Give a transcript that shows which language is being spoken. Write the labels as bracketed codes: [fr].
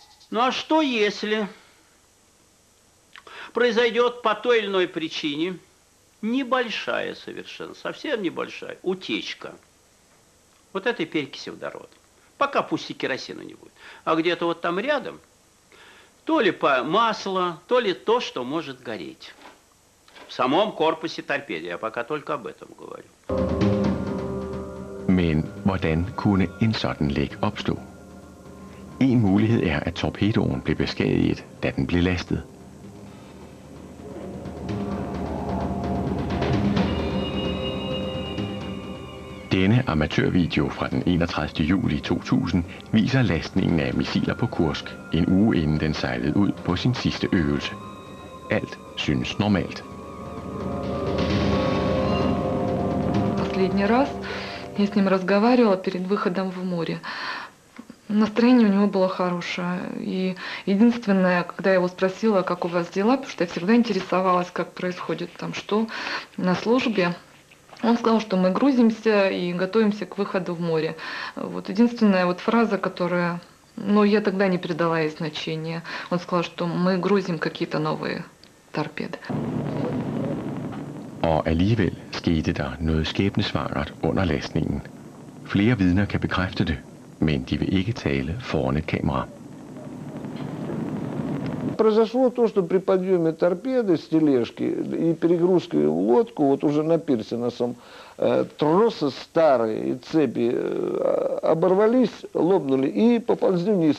[ru] Ну а что если произойдет по той или иной причине небольшая совершенно, совсем небольшая утечка вот этой перекиси водорода? Пока пусть и керосина не будет. А где-то вот там рядом, то ли по масло, то ли то, что может гореть. В самом корпусе торпеды. Я пока только об этом говорю. [da] Men hvordan kunne en sådan læk opstå? En mulighed er, at torpedoen blev beskadiget, da den blev lastet. Denne amatørvideo fra den 31. juli 2000 viser lastningen af missiler på Kursk en uge inden den sejlede ud på sin sidste øvelse. Alt synes normalt. [ru] Последний раз я с ним разговаривала перед выходом в море. Настроение у него было хорошее. И единственное, когда я его спросила, как у вас дела, потому что я всегда интересовалась, как происходит там, что на службе, он сказал, что мы грузимся и готовимся к выходу в море. Вот единственная вот фраза, которая... Ну, я тогда не придала ей значения. Он сказал, что мы грузим какие-то новые торпеды. [da] Og alligevel skete der noget skæbnesvangert under lastningen. Flere vidner kan bekræfte det, men de vil ikke tale foran et kamera. [ru] Произошло то, что при подъеме торпеды с тележки и перегрузке в лодку, вот уже на пирсе на самом, тросы старые и цепи оборвались, лопнули и поползли вниз.